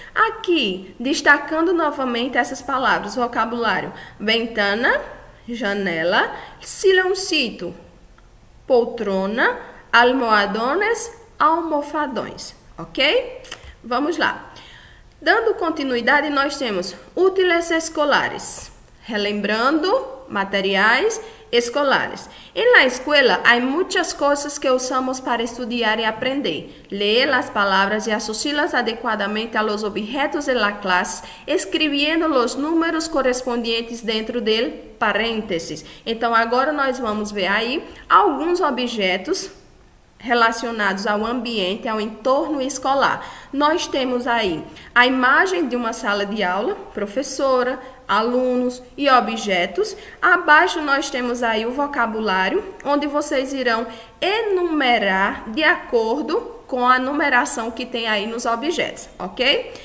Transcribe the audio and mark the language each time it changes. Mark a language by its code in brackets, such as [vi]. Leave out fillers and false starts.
[pt] Aqui, destacando novamente essas palavras: vocabulário, ventana, janela, silloncito, poltrona, almohadones, almofadões. Ok? Vamos lá. Dando continuidade, nós temos útiles escolares. Relembrando, materiais escolares. [es] Em la escuela, hay muchas cosas que usamos para estudiar e aprender. Leer las palabras y asociarlas adecuadamente a los objetos de la clase, escribiendo los números correspondientes dentro del paréntesis. [pt] Então, agora nós vamos ver aí alguns objetos relacionados ao ambiente, ao entorno escolar. Nós temos aí a imagem de uma sala de aula, professora, alunos e objetos. Abaixo nós temos aí o vocabulário, onde vocês irão enumerar de acordo com a numeração que tem aí nos objetos, ok?